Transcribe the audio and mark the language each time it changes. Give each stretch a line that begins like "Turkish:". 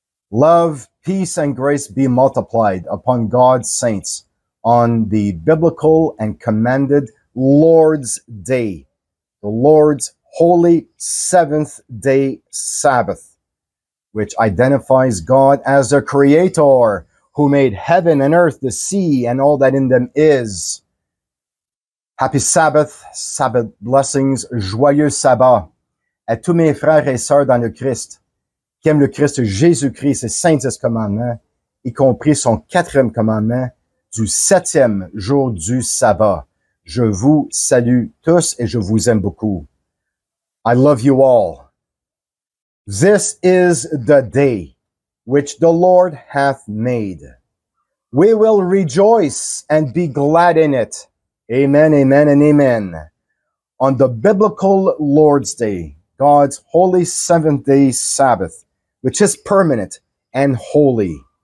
English: Love, peace, and grace be multiplied upon God's saints on the biblical and commanded Lord's Day, the Lord's holy seventh day Sabbath, which identifies God as the Creator who made heaven and earth, the sea, and all that in them is. Happy Sabbath, Sabbath blessings,
French: joyeux sabbat, à tous mes frères et sœurs dans le Christ, qui aiment le Christ Jésus-Christ et saint des commandements, y compris son quatrième commandement du septième jour du sabbat. Je vous salue tous et je vous aime beaucoup.
English: I love you all. This is the day which the Lord hath made. We will rejoice and be glad in it. Amen, amen, and amen. On the biblical Lord's Day, God's holy seventh day Sabbath, which is permanent and holy,